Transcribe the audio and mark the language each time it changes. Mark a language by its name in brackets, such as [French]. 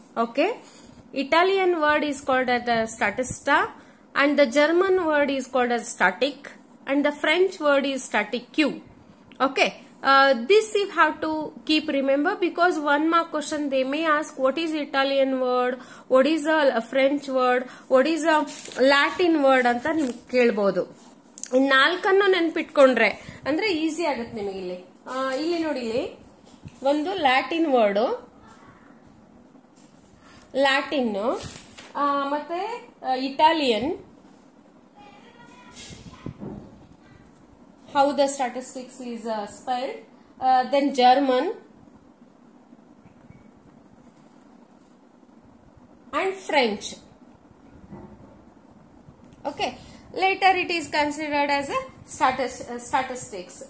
[English] Okay, Italian word is called as a statista, and the German word is called as static, and the French word is statique. Okay, this you have to keep remember, because one mark question they may ask, what is Italian word, what is a French word, what is a Latin word [Kannada] ಅಂತ ನಿಮ್ ಕೇಳ್ಬೋದು. ನಾಲ್ಕನ್ನು ನೆನ್ಪಿಟ್ಕೊಂಡ್ರೆ ಅಂದ್ರೆ easy ಆಗತ್ತೆ ನಿಮಗೆ. ಇಲ್ಲಿ ಇಲ್ಲಿ ನೋಡಿ, ಇಲ್ಲಿ ಒಂದು ಲ್ಯಾಟಿನ್ ವರ್ಡ್, ಲ್ಯಾಟಿನ್, ಮತ್ತೆ Italian. [English] How the statistics is spelled, then German and French. Okay, later it is considered as a statistics.